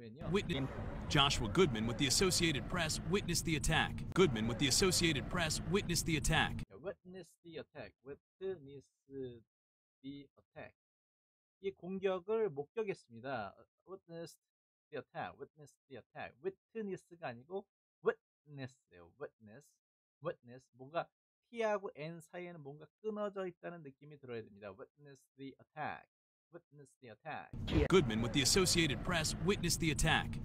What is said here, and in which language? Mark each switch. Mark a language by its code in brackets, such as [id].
[en] Witness Joshua Goodman with the Associated Press witnessed the attack. Goodman with the Associated Press witnessed the attack. Witnessed the attack. Witnessed the attack. [ko] 이 공격을 목격했습니다. [en] Witnessed the attack. Witnessed the attack. Witness가 아니고 witness예요. Witness. Witness. [ko] 뭔가 T하고 N 사이에는 뭔가 끊어져 있다는 느낌이 들어야 됩니다. [en] Witnessed the attack. Witnessed the attack. Goodman with the Associated Press witnessed the attack.